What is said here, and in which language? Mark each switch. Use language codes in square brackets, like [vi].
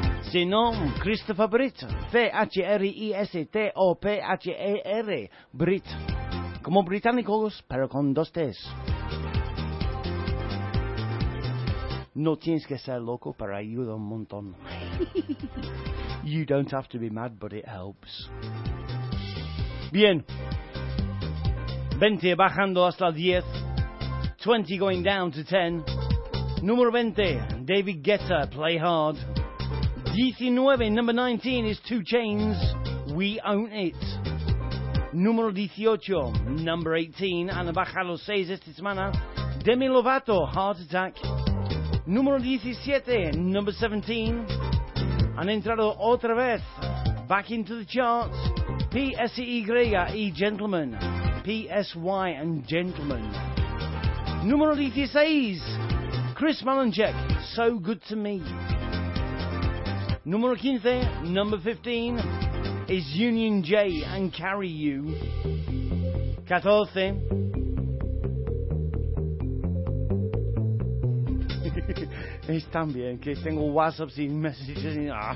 [es] Si no, Christopher Brit. C-H-R-I-S-T-O-P-H-E-R. Brit. Como británicos, pero con dos T's. No tienes que ser loco para ayudar un montón. [en] You don't have to be mad, but it helps. [es] Bien. 20 bajando hasta 10. [en] 20 going down to 10. [es] Número 20, [en] David Guetta, Play Hard. 19, number 19 is 2 Chainz, We Own It. [es] Número 18, [en] number 18, [es] han bajado 6 esta semana. Demi Lovato, Heart Attack. Número 17, [en] number 17, [es] han entrado otra vez, [en] back into the charts, [es] PSY y Gentlemen, PSY and Gentlemen. Número 16, Chris Malinchek, So Good to Me. Número 15, [en] number 15, is Union J and Carry You. 14, [es] Es tan bien que tengo WhatsApp y messages.